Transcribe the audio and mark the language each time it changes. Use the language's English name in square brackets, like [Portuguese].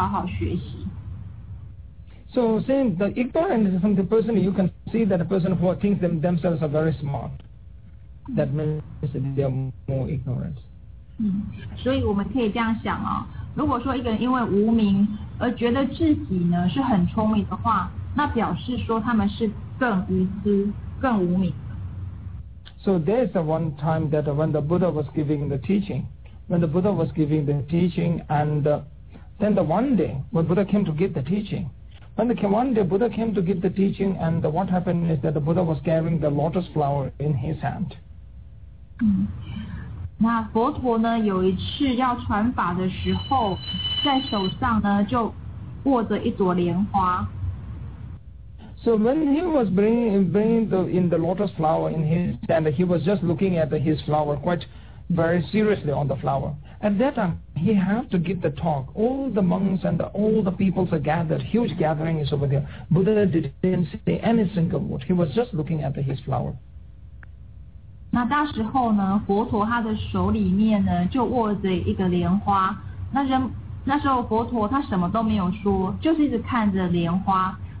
[Chinese] 那在英文有一句话说的道理哦，一个人呢，如果觉得他什么都知道，那他更应该好好学习。So [English] saying the ignorance from the person, you can see that the person who thinks themselves are very smart. That means they are more ignorant. [Chinese] 所以我们可以这样想哦，如果说一个人因为无明而觉得自己呢是很聪明的话，那表示说他们是更愚痴、更无明。 [English] So there's the one time that when the Buddha was giving the teaching, then the one day when Buddha came to give the teaching, what happened is that the Buddha was carrying the lotus flower in his hand. [Chinese] 那佛陀呢，有一次要传法的时候，在手上呢就握着一朵莲花。 [English] So when he was bringing the in the lotus flower in his hand, he was just looking at his flower quite very seriously on the flower. At that time, he had to give the talk. All the monks and all the peoples are gathered. Huge gathering is over there. Buddha didn't say any single word. He was just looking at his flower. [Chinese] 那当时候呢，佛陀他的手里面呢就握着一个莲花。那时候佛陀他什么都没有说，就是一直看着莲花。